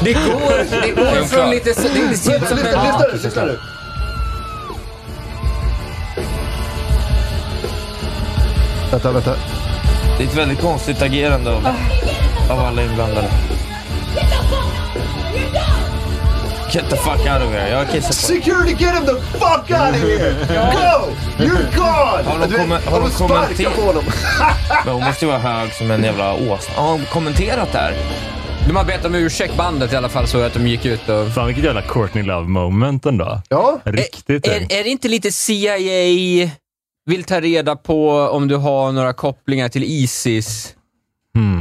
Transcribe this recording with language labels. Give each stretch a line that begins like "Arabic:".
Swedish: Det går från lite... Så, det ser ut som en... Lyfta du. Vänta. Det är ett väldigt konstigt agerande av alla inblandade.
English: Get the fuck out of here.
Swedish: Jag har kissat på.
English: Security, get him the fuck out of here. Go. You're gone.
Swedish: Har de kommenterat? Hon måste ju vara hög som en jävla ås. Har hon kommenterat där? De har bett om ursäkt bandet i alla fall, så att de gick ut och... Fan, vilket jävla Courtney Love moment ändå. Ja. Riktigt. Är det inte lite CIA... Vill ta reda på om du har några kopplingar till ISIS. Mm.